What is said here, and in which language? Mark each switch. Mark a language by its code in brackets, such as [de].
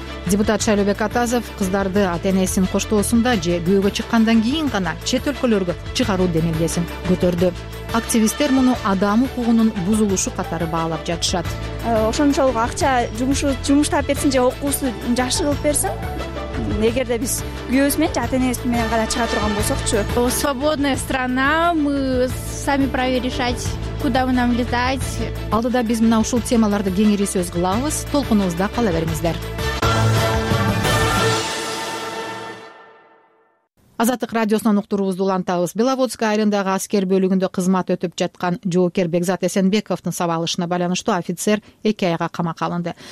[ky] Депутат Шайлообек Атазов кыздарды ата энесинин коштоосунда же күйөөгө чыккандан кийин гана чет өлкөлөргө чыгаруу демилгесин көтөрдү. Активисттер муну адам укугунун бузулушу катары баалап жатышат. Ошончолук акча жумуш таап берсин же окуусу жакшы кылып берсин. Эгерде биз күйөөбүз менен ата энеси менен гана чыга турган болсокчу. [ru] Свободная страна, мы сами праве решать, куда нам летать. [ky] Алдыда биз мына ушул темаларды кеңири сөз кылабыз. Толкунубузда кала бериңиздер. Азаттык радиосунан уктуруубузду улантабыз. Беловодск айылындагы аскер бөлүгүндө кызмат өтүп жаткан жоокер Бекзат Эсенбековдун сабалышына байланыштуу офицер 2 айга камакка алынды.